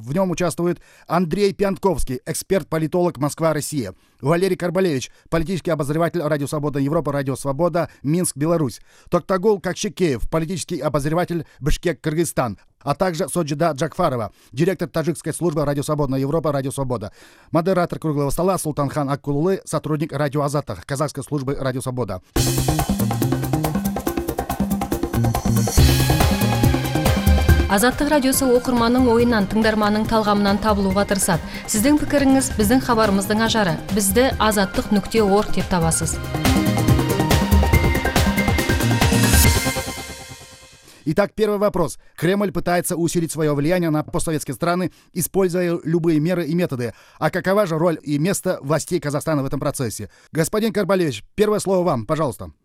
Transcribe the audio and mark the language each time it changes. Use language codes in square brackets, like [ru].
[ru] В нем участвует Андрей Пьянковский, эксперт-политолог «Москва-Россия», Валерий Карбалевич, политический обозреватель «Радио Свобода Европа», «Радио Свобода», «Минск, Беларусь», Токтагул Кокчекеев, политический обозреватель «Бишкек, Кыргызстан», а также Соджида Джакфарова, директор таджикской службы «Радио Свобода Европа», «Радио Свобода», модератор «Круглого стола» Султанхан Аккулулы, сотрудник «Радио Азата», казахской службы «Радио Свобода». [kk] Азаттық радиосы оқырманның ойынан, тыңдарманның талғамынан табылуға тырысады. Сіздің пікіріңіз біздің хабарымыздың ажары. Бізді azattiq.org деп табасыз. [ru] Итак, первый вопрос. Кремль пытается усилить свое влияние на постсоветские страны, используя любые меры и методы. А какова же роль и место властей Казахстана в этом процессе? Господин Карбалевич, первое слово вам, пожалуйста.